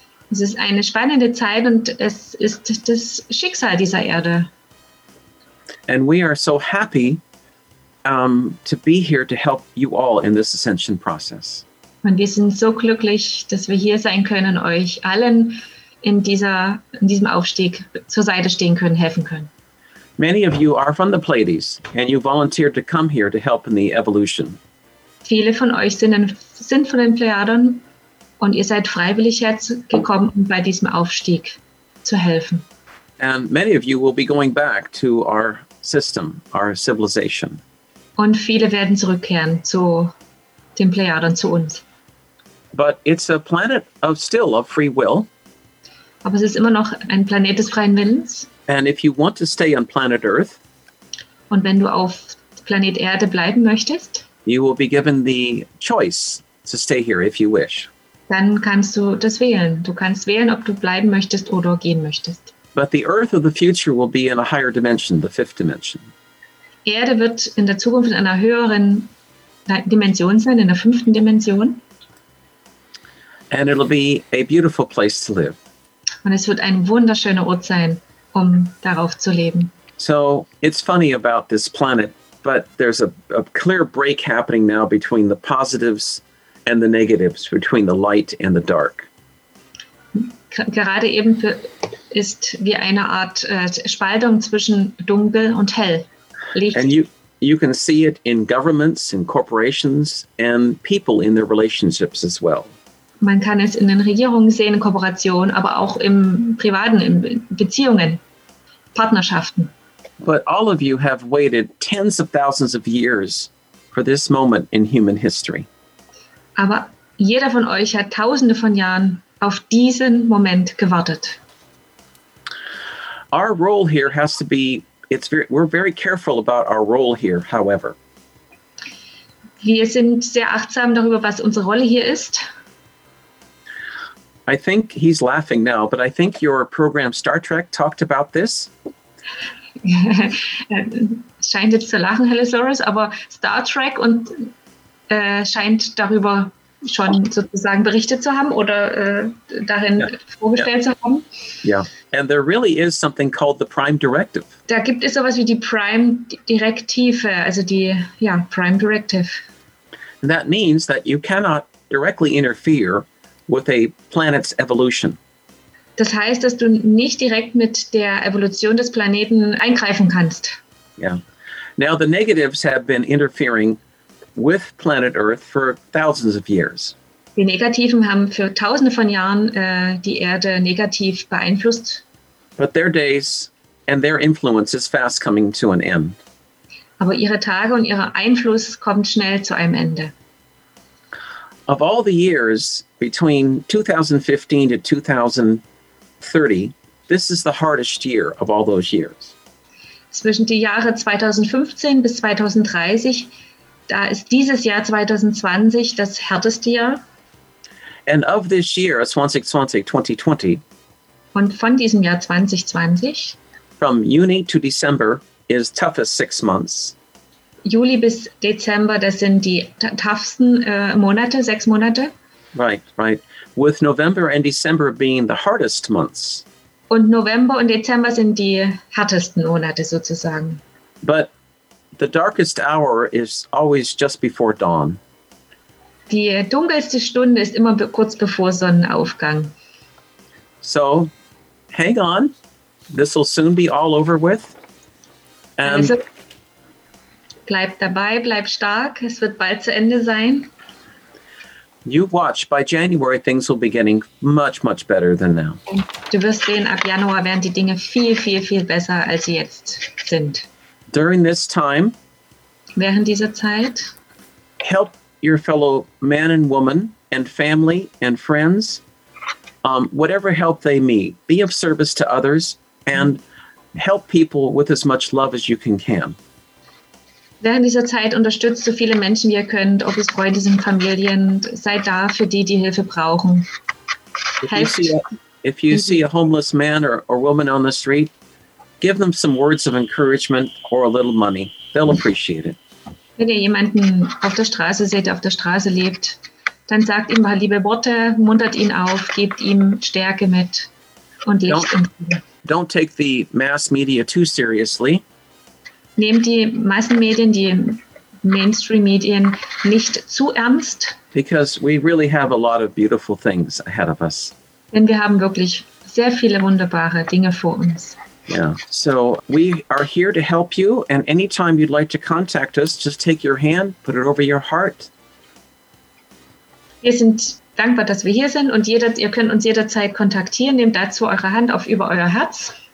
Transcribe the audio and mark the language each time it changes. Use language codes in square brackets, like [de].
[de] Es ist eine spannende Zeit und es ist das Schicksal dieser Erde. [en] And we are so happy to be here to help you all in this ascension process. [de] Und wir sind so glücklich, dass wir hier sein können, euch allen in diesem Aufstieg zur Seite stehen können, helfen können. [en] Many of you are from the Pleiades, and you volunteered to come here to help in the evolution. [de] Viele von euch sind von den Plejaden, und ihr seid freiwillig hergekommen, um bei diesem Aufstieg zu helfen. [en] And many of you will be going back to our system, our civilization. [de] Und viele werden zurückkehren zu den Plejaden, zu uns. [en] But it's a planet of still of free will. [de] Aber es ist immer noch ein Planet des freien Willens. [en] And if you want to stay on planet Earth, [de] und wenn du auf Planet Erde bleiben möchtest, [en] you will be given the choice to stay here if you wish. [de] Dann kannst du das wählen. Du kannst wählen, ob du bleiben möchtest oder gehen möchtest. [en] But the Earth of the future will be in a higher dimension, the fifth dimension. [de] Erde wird in der Zukunft in einer höheren Dimension sein, in der fünften Dimension. [en] And it'll be a beautiful place to live. [de] Und es wird ein wunderschöner Ort sein, um darauf zu leben. [en] So it's funny about this planet, but there's a clear break happening now between the positives and the negatives, between the light and the dark. [de] Gerade eben ist wie eine Art Spaltung zwischen dunkel und hell. Licht. [en] And you can see it in governments, in corporations and people in their relationships as well. [de] Man kann es in den Regierungen sehen, in Kooperationen, aber auch im Privaten, in Beziehungen, Partnerschaften. [en] But all of you have waited tens of thousands of years for this moment in human history. [de] Aber jeder von euch hat tausende von Jahren auf diesen Moment gewartet. [en] Our role here has to be, we're very careful about our role here, however. [de] Wir sind sehr achtsam darüber, was unsere Rolle hier ist. [en] I think he's laughing now, but I think your program Star Trek talked about this. [de] Scheint jetzt zu lachen, Hellasaurus, aber Star Trek und scheint darüber schon sozusagen berichtet zu haben oder darin vorgestellt zu haben. [en] Yeah, and there really is something called the Prime Directive. [de] Da gibt es sowas wie die Prime Directive, also die, ja, Prime Directive. [en] And that means that you cannot directly interfere with a planet's evolution. [de] Das heißt, dass du nicht direkt mit der Evolution des Planeten eingreifen kannst. [en] Yeah. Now the negatives have been interfering with planet Earth for thousands of years. [de] Die Negativen haben für tausende von Jahren die Erde negativ beeinflusst. [en] But their days and their influence is fast coming to an end. [de] Aber ihre Tage und ihr Einfluss kommt schnell zu einem Ende. [en] Of all the years between 2015 to 2030, this is the hardest year of all those years. [de] Zwischen die Jahre 2015 bis 2030, da ist dieses Jahr 2020 das härteste Jahr. [en] And of this year, 2020. [de] Und von diesem Jahr 2020. [en] From Juni to December is toughest 6 months. [de] Juli bis Dezember, das sind die toughsten Monate, 6 Monate. [en] Right, right. With November and December being the hardest months. [de] Und November und Dezember sind die härtesten Monate sozusagen. [en] But the darkest hour is always just before dawn. [de] Die dunkelste Stunde ist immer kurz bevor Sonnenaufgang. [en] So, hang on. This will soon be all over with. And also, [de] bleib dabei, bleib stark. Es wird bald zu Ende sein. [en] You watch. By January, things will be getting much, much better than now. [de] Du wirst sehen, ab Januar werden die Dinge viel, viel, viel besser, als sie jetzt sind. [en] During this time, [de] während dieser Zeit, [en] help your fellow man and woman and family and friends, whatever help they need. Be of service to others and help people with as much love as you can. [de] Während dieser Zeit unterstützt so viele Menschen, wie ihr könnt, ob es Freunde sind, Familien, seid da für die, die Hilfe brauchen. [en] If you see a homeless man or woman on the street, give them some words of encouragement or a little money. They'll appreciate it. [de] Wenn ihr jemanden auf der Straße seht, der auf der Straße lebt, dann sagt ihm mal liebe Worte, muntert ihn auf, gebt ihm Stärke mit und Licht. [en] Don't take the mass media too seriously. [de] Nehmt die Massenmedien, die Mainstream-Medien nicht zu ernst. [en] Because we really have a lot of beautiful things ahead of us. [de] Denn wir haben wirklich sehr viele wunderbare Dinge vor uns. [en] Yeah. So we are here to help you. And anytime you'd like to contact us, just take your hand, put it over your heart. [de] Wir sind dankbar, dass wir hier sind. Und ihr könnt uns jederzeit kontaktieren. Nehmt dazu eure Hand auf über euer Herz.